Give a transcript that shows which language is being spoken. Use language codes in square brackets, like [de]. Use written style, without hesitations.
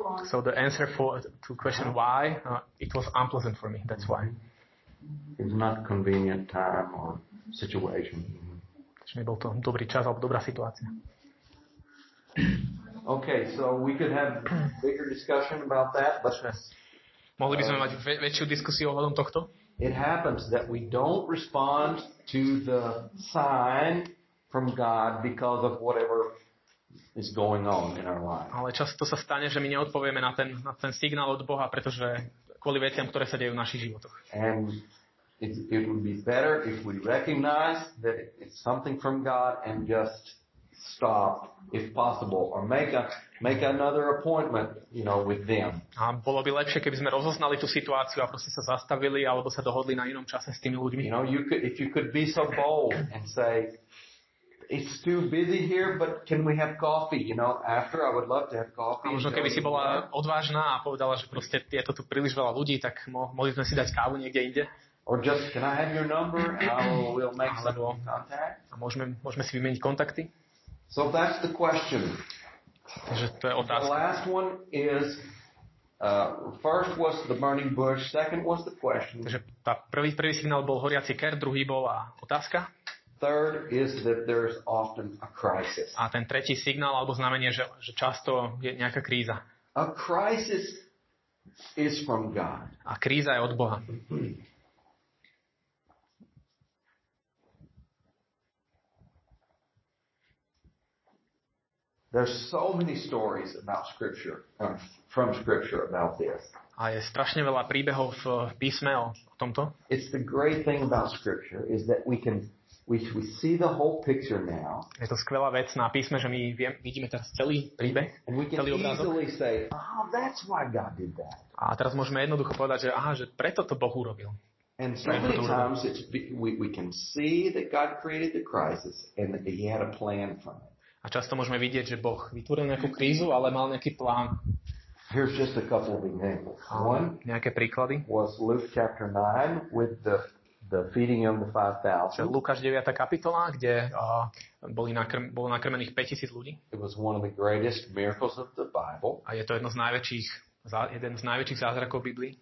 [en] So the answer to question why, it was unpleasant for me, that's why. It's not convenient time or situation. [sk] Nebol to dobrý čas alebo dobrá situácia. [en] Okay, so we could have bigger discussion about that, but [sk] mohli by sme mať väčšiu diskusiu ohľadom tohto? [en] It happens that we don't respond to the sign from God because of whatever is going on in our life. [sk] Ale často sa stane, že my neodpovieme na ten signál od Boha, pretože kvôli veciam, ktoré sa dejú v našich životoch. [en] And it would be better if we recognize that it's something from God and just stop if possible or make another appointment, you know, with them. [sk] A bolo by lepšie, keby sme rozoznali tú situáciu a proste sa zastavili alebo sa dohodli na inom čase s tými ľuďmi. [en] You know, if you could be so bold and say, it's too busy here, but can we have coffee, you know, after? I would love to have coffee. [sk] A možno keby si bola odvážna a povedala, že proste je to tu príliš veľa ľudí, tak mohli sme si dať kávu niekde inde. [en] Or just, can I have your number? We'll make some contact. [sk] A môžeme si vymeniť kontakty. [en] So that's the question. [sk] Takže to je otázka. [en] The last one is first was the burning bush, second was the question. [sk] Takže tá prvý signál bol horiaci ker, druhý bola otázka. [en] Third is that there's often a crisis. [sk] A ten tretí signál alebo znamenie, že často je nejaká kríza. [en] A crisis is from God. [sk] A kríza je od Boha. [en] There's so many stories about scripture from scripture about this. [sk] A je strašne veľa príbehov v písme o tomto. [en] It's the great thing about scripture is that we see the whole picture now. [sk] Je to skvelá vec na písme, že my vidíme teraz celý príbeh, celý obrázok. [en] Easily say, that's why God did that. [sk] A teraz môžeme jednoducho povedať, že že preto to Boh urobil. [en] And so many times we can see that God created the crisis and that he had a plan for it. [sk] A často môžeme vidieť, že Boh vytvoril nejakú krízu, ale mal nejaký plán. [en] Here's just a couple of examples. One, [sk] nejaké príklady. [en] Was Luke chapter 9 with the feeding of the 5,000. [sk] Lukáš 9. kapitola, kde bolo nakrmených 5,000 ľudí. [en] It was one of the greatest miracles of the Bible. [sk] A je to jeden z najväčších zázrakov Biblie.